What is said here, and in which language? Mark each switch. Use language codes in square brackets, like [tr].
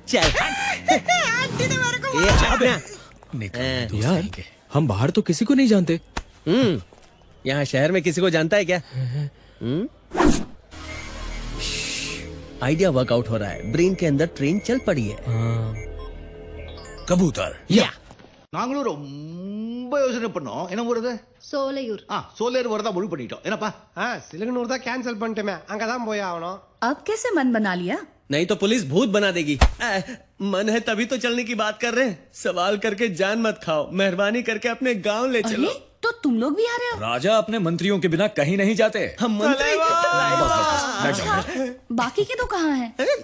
[hi] चल। यार हम बाहर तो किसी को नहीं जानते। यहाँ शहर में किसी को जानता है क्या? आइडिया वर्कआउट हो रहा है, ब्रेन के अंदर ट्रेन चल पड़ी है। कबूतर या [ta] नांगलूर ரொம்ப யோசனை பண்ணோம். என்ன ஊருது? சோலையூர். ஆ, சோலையூர் வரதா முடிவு பண்ணிட்டோம். என்னப்பா? சிலங்கனூர் தான் கேன்சல் பண்ணிட்டேமே, அங்க தான் போய் ஆவணும். [hi] अब कैसे मन बना लिया? नहीं तो पुलिस भूत बना देगी। मन है तभी तो चलने की बात कर रहे हैं। सवाल करके जान मत खाओ, मेहरबानी करके अपने गांव ले चलो। तो तुम लोग भी आ रहे हो? राजा अपने मंत्रियों के बिना कहीं नहीं जाते। हम मंत्री? बाकी के तो कहाँ हैं?